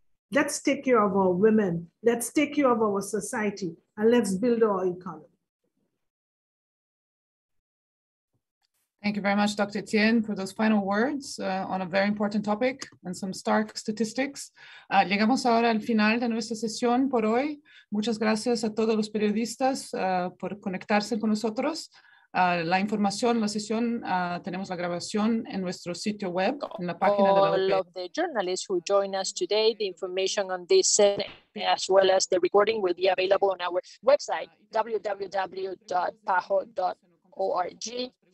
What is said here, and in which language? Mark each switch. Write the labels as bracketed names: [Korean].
[English] Let's take care of our women, let's take care of our society, and let's build our economy. Thank you very much, Dr. Tien, for those final words on a very important topic and some stark statistics. [Spanish] Llegamos ahora al final de nuestra sesión por hoy. Muchas gracias a todos los periodistas por conectarse con nosotros. La información, la sesión, tenemos la grabación en nuestro sitio web, en la página [English] all [Spanish] de la [English] All of the journalists who join us today, the information on this as well as the recording will be available on our website, www.paho.org.